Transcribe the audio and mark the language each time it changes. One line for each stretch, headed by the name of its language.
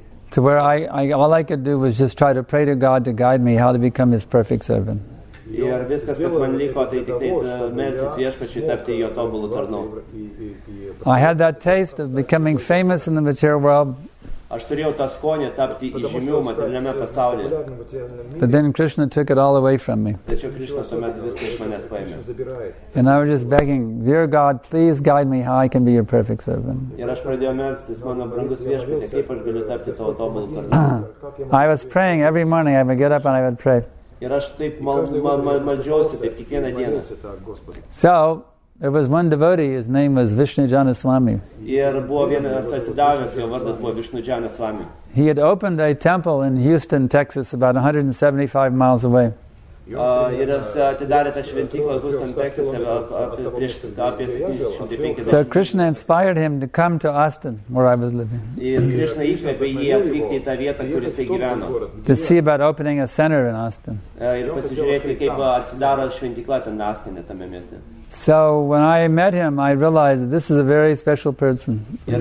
English: To where I all I could do was just try to pray to God to guide me how to become his perfect servant.
Lithuanian: Ir viskas, kas man liko, tai tik tai melsis viešpačiui tapti jo tobulų tarnu.
English: I had that taste of becoming famous in the material world.
Lithuanian: Aš turėjau tą skonį tapti įžymiu materialiame pasaulyje.
English: But then Krishna took it all away from me.
Lithuanian: Tačiau Krishna tuomet viską iš manęs paėmė.
English: And I was just begging, dear God, please guide me how I can be your perfect servant.
Lithuanian: Ir aš pradėjau melstis, mano brangus viešpatie, kaip aš galiu tapti savo tobulų tarnu.
English: I was praying every morning, I would get up and I would pray.
Lithuanian: Ir aš taip maldžiausi, taip kiekvieną dieną.
English: So, there was one devotee, his name was Vishnujana Swami.
Lithuanian: Ir buvo vienas atsidavęs, jo vardas buvo Vishnujana Swami.
English: He had opened a temple in Houston, Texas, about 175 miles away.
Lithuanian: Ir jis atidarė tą šventyklą Houston, Texas, apie 75.
English: So, Krishna inspired him to come to Austin, where I was living.
Lithuanian: Ir Krishna įkvėpė jį atvykti į tą vietą, kur jisai gyveno.
English: To see about opening a center in Austin.
Lithuanian: Ir pasižiūrėti, kaip atsidaro šventykla ten Austin, tame mieste.
English: So when I met him, I realized that this is a very special person.